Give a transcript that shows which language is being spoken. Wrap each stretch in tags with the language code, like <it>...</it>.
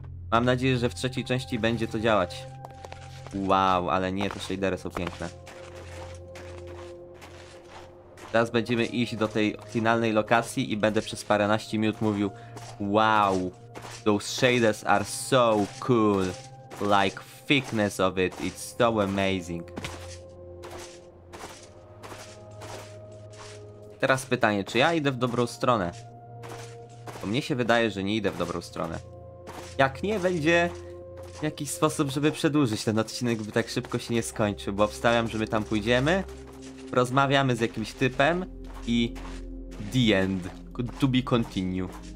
<pl>Mam nadzieję, że w trzeciej części będzie to działać. Wow, ale nie, te shadery są piękne. Teraz będziemy iść do tej finalnej lokacji i będę przez paręnaście minut mówił:</pl> <en>wow, those shaders are so cool. Like thickness of it, it's so amazing.</en> <pl>Teraz pytanie, czy ja idę w dobrą stronę? Bo mnie się wydaje, że nie idę w dobrą stronę. Jak nie, będzie jakiś sposób, żeby przedłużyć ten odcinek, by tak szybko się nie skończył, bo obstawiam, że my tam pójdziemy, rozmawiamy z jakimś typem i</pl> <en>the end, to be continue.</en>